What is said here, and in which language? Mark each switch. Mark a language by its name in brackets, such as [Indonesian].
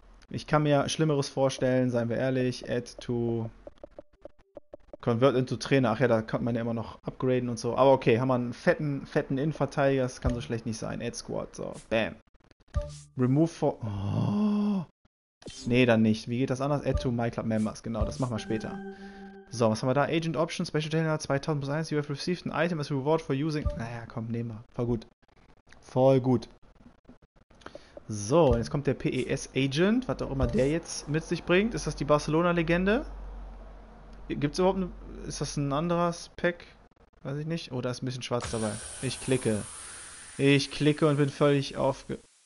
[German] Ich kann mir Schlimmeres vorstellen, seien wir ehrlich. Add to... Convert into Trainer. Ach ja, da kann man ja immer noch upgraden und so. Aber okay, haben wir einen fetten, fetten Innenverteidiger. Das kann so schlecht nicht sein. Add Squad. So, bam. Remove for... Oh. Nee, dann nicht. Wie geht das anders? [English] Add to My Club Members. [German] Genau, das machen wir später. So, was haben wir da? [English] Agent Option, Special Trainer 2000 plus 1. You have received an item as reward for using... [German] Naja, komm, nehmen wir. Voll gut. Voll gut. So, jetzt kommt der PES Agent. Was auch immer der jetzt mit sich bringt. Ist das die Barcelona-Legende? Gibt's überhaupt... Ist das ein anderes Pack? Weiß ich nicht. Oh, da ist ein bisschen schwarz dabei. Ich klicke und bin völlig aufge...